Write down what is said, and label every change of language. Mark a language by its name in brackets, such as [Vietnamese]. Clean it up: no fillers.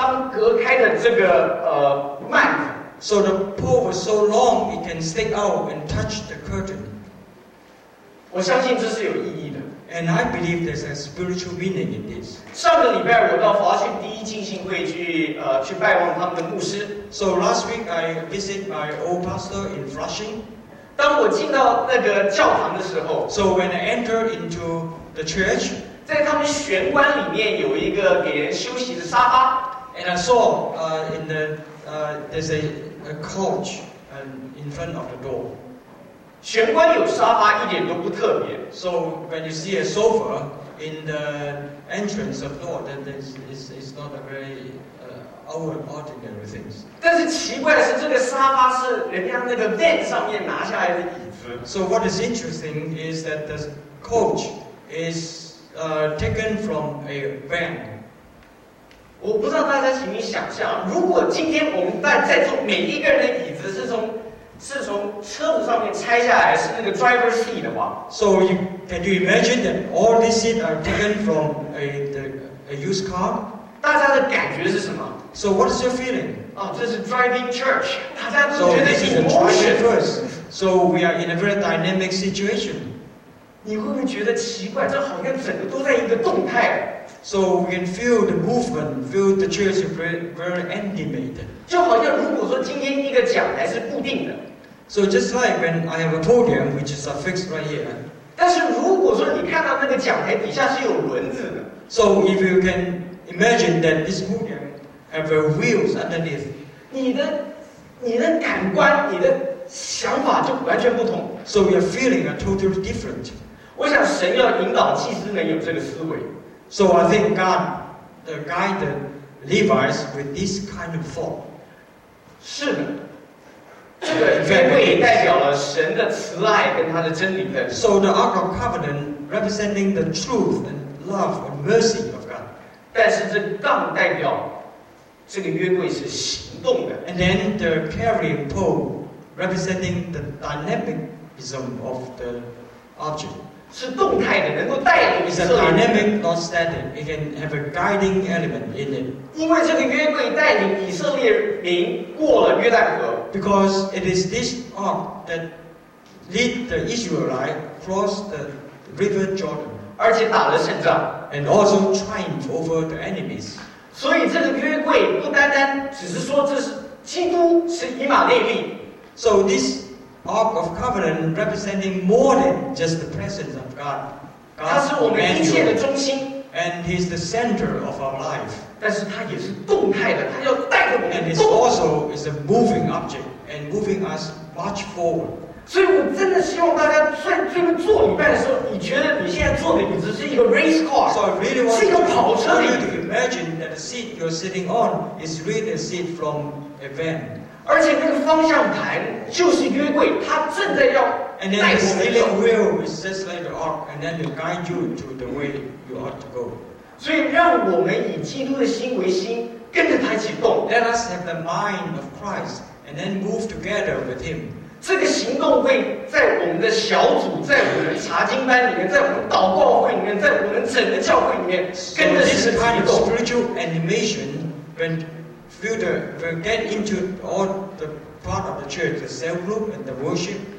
[Chinese] 也就是说在这边至圣所，这个杠子很长，长的到可以顶到他们隔开的这个幔。 [English] So the pole was so long it can stick out and touch the curtain. [Chinese] 我相信这是有意义的。 [English] And I believe there's a spiritual meaning in this. [Chinese] 上个礼拜我到华信第一进行会去拜望他们的牧师。 [English] So last week I visited my old pastor in Flushing. [Chinese] 当我进到那个教堂的时候， [English] So when I entered into the church, [Chinese] 在他们玄关里面有一个给人休息的沙发。 [English] And I saw in the there's a couch in front of the door. [Chinese] 玄关有沙发一点都不特别。 [English] So when you see a sofa in the entrance of the door, then it's not a very ordinary things. [Chinese] 但是奇怪的是，这个沙发是人家那个van上面拿下来的椅子。 [English] So what is interesting is that the coach is taken from a van. [Chinese] 我不知道大家请你想象，如果今天我们办在座每一个人的椅子是从车子上面拆下来，是那个 [English] driver seat [Chinese] 的话 [English] ，So you can you imagine that all these seats are taken from a used car？ [Chinese] 大家的感觉是什么 [English] ？So what is your feeling？ [Chinese] 啊，这是 [English] driving church， [Chinese] 大家都觉得 [English] emotion。 So we are in a very dynamic situation。 [Chinese] 你会不会觉得奇怪？这好像整个都在一个动态。 [English] So we can feel the movement, feel the church very animated. [Chinese] 就好像如果说今天一个讲台是固定的 [English] ，So just like when I have a podium which is fixed right here. [Chinese] 但是如果说你看到那个讲台底下是有轮子的 [English] ，So if you can imagine that this podium have a wheels underneath, [Chinese] 你的感官、你的想法就完全不同。 [English] So your feeling are totally different. [Chinese] 我想神要引导祭司们有这个思维。 [English] So I think God, the guide the Levites with this kind of thought. [Chinese] 是的，这个原柜也代表了神的慈爱跟他的真理的。 [English] So the Ark of Covenant representing the truth and love and mercy of God. [Chinese] 但是这杠代表这个约柜是行动的。 [English] And then the carrying pole representing the dynamicism of the object. [Chinese] 是动态的，能够带领以色列。 [English] It's a dynamic, not static. It can have a guiding element in it. [Chinese] 因为这个约柜带领以色列民过了约旦河。 [English] Because it is this ark that lead the Israelite across the River Jordan. [Chinese] 而且打了胜仗。 [English] And also triumph over the enemies. [Chinese] 所以这个约柜不单单只是说这是基督是以马内利。 [English] So this. Ark of Covenant representing more than just the presence of God. [Chinese] God 他是我们一切的中心 [English] and He's the center of our life. [Chinese] 但是他也是动态的，他要带着我们 [English] And He's also is a moving object and moving us much forward. [Chinese] 所以我真的希望大家在这个坐礼拜的时候，你觉得你现在坐的椅子是一个 [English] race car， so I really want [Chinese] 是一个跑车椅。 [English] To imagine that the seat you're sitting on is really a seat from a van. [Chinese] 而且那个方向盘就是约柜，它正在要带我们走。 [English] And then the steering wheel is just like the ark, and then to guide you to the way you ought to go. [Chinese] 所以让我们以基督的心为心，跟着他一起动。 [English] Let us have the mind of Christ, and then move together with Him. [Chinese] 这个行动会在我们的小组，在我们的查经班里面，在我们祷告会里面，在我们整个教会里面，跟着神一起动。 [English] So this kind of spiritual animation, when filter, we'll get into all the part of the church, the cell group and the worship.